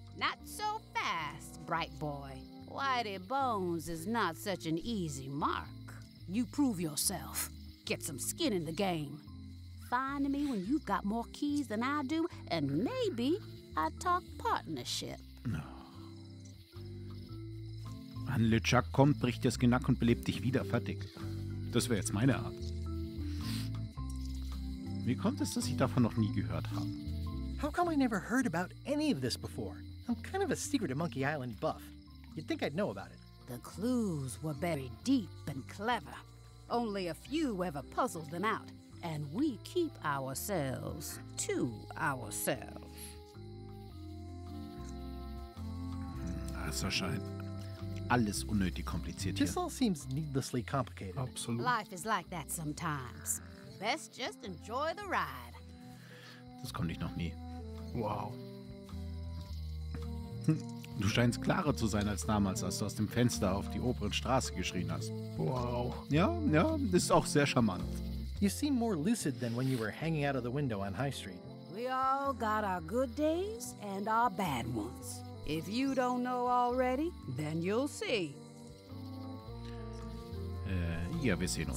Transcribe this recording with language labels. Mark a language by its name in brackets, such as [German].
[English] Not so fast, bright boy. Whitey Bones is not such an easy mark. You prove yourself. Get some skin in the game. Find me when you've got more keys than I do, and maybe I talk partnership. No. [German] Wenn LeChuck kommt, bricht das Genack und belebt dich wieder fertig. Das wäre jetzt meine Art. Wie kommt es, dass ich davon noch nie gehört habe? [English] How come I never heard about any of this before? I'm kind of a secret of Monkey Island buff. You'd think I'd know about it. The clues were buried deep and clever. Only a few ever puzzled them out, and we keep ourselves to ourselves. [German] Das erscheint alles unnötig kompliziert [English] hier. This all seems needlessly complicated. [German] Absolut. [English] Life is like that sometimes. Best just enjoy the ride. [German] Das konnte ich noch nie. Wow. Du scheinst klarer zu sein als damals, als du aus dem Fenster auf die obere Straße geschrien hast. Wow. Ja, ja, ist auch sehr charmant. [English] You seem more lucid than when you were hanging out of the window on High Street. We all got our good days and our bad ones. If you don't know already, then you'll see. [German] Ja, wir sehen uns.